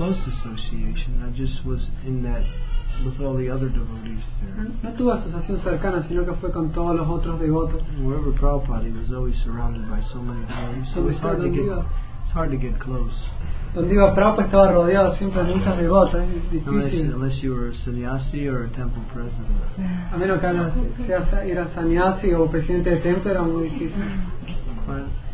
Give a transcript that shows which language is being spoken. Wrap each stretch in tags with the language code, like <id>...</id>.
<en>Came to New Vrindavan, and I was there in 74. But I didn't have close association. I just was in that with all the other devotees there.</en> <es>No tuvo asociación cercana, sino que fue con todos los otros devotos.</es> <en>Wherever Prabhupada, he was always surrounded by so many devotees. So it's hard to get. It's hard to get close.</en> <es>Donde iba Prabhupada estaba rodeado siempre de muchas devotas. Difícil.</es> <en>Unless you were a sannyasi or a temple president.</en> <es>A menos que era sannyasi o presidente de templo, era muy difícil.</es>